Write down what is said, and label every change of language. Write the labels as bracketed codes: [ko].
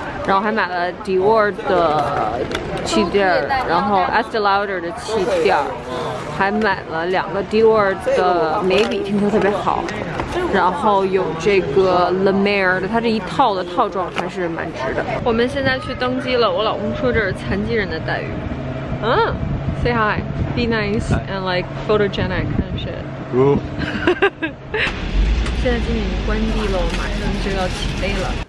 [zh] 然后还买了 Dior 的气垫，然后 Estee Lauder 的气垫，还买了两个 Dior 的眉笔，听说特别好。然后有这个 La Mer 的，它这一套的套装还是蛮值的。我们现在去登机了，我老公说这是残疾人的待遇。 [en] Say hi, be nice and like photogenic kind of shit. [zh] 现在机已经关闭了，我马上就要起飞了。